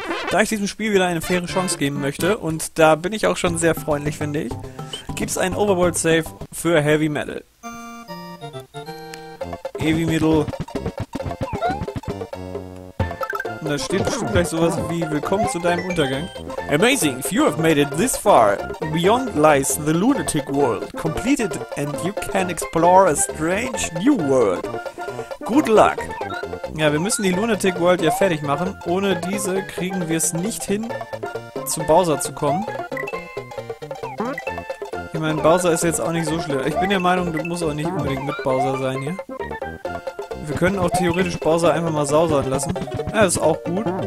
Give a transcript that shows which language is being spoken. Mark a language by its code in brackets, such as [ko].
[de] Da ich diesem Spiel wieder eine faire Chance geben möchte, und da bin ich auch schon sehr freundlich, finde ich, gibt es einen Overworld-Save für Heavy Metal. Heavy Metal. Und da steht bestimmt gleich sowas wie Willkommen zu deinem Untergang. [en] Amazing, if you have made it this far, beyond lies the lunatic world. Complete it and you can explore a strange new world. Good luck. [de] Ja, wir müssen die Lunatic World ja fertig machen. Ohne diese kriegen wir es nicht hin, zu Bowser zu kommen. Ich meine, Bowser ist jetzt auch nicht so schlimm. Ich bin der Meinung, du musst auch nicht unbedingt mit Bowser sein hier. Wir können auch theoretisch Bowser einfach mal sausern lassen. Ja, ist auch gut.